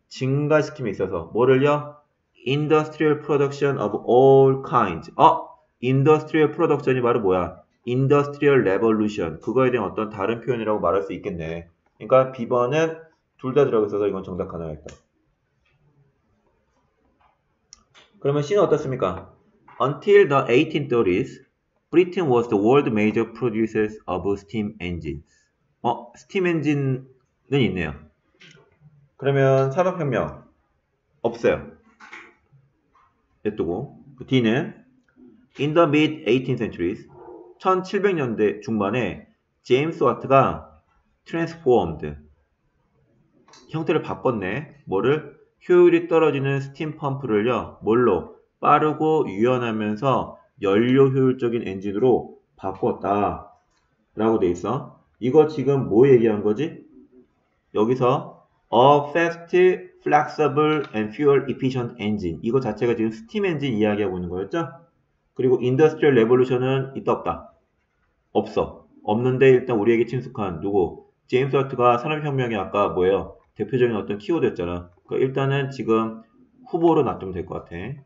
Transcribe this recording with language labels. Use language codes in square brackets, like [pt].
[ko] 증가시킴에 있어서. 뭐를요? [en] Industrial production of all kinds. Industrial production이 [ko] 바로 뭐야? [en] Industrial revolution. [ko] 그거에 대한 어떤 다른 표현이라고 말할 수 있겠네. 그러니까 B번은 둘 다 들어가 있어서 이건 정답 가능할까? 그러면 C는 어떻습니까? [en] Until the 1830s, Britain was the world major producers of steam engines. [ko] 스팀 엔진은 있네요. 그러면 산업혁명 없어요. 냅두고 D는 [en] In the mid 18th centuries, [ko] 1700년대 중반에 James Watt가 transformed 형태를 바꿨네. 뭐를? 효율이 떨어지는 스팀 펌프를요. 뭘로? 빠르고 유연하면서 연료 효율적인 엔진으로 바꿨다. 라고 돼 있어. 이거 지금 뭐 얘기한 거지? [en] 여기서 A fast, flexible, and fuel efficient engine. [ko] 이거 자체가 지금 스팀 엔진 이야기하고 있는 거였죠? 그리고 industrial revolution은 있다 없다? 없어. 없는데 일단 우리에게 친숙한 누구? 제임스 워트가 산업혁명이 아까 뭐예요? 대표적인 어떤 키워드였잖아. 그러니까 일단은 지금 후보로 놔두면 될 것 같아.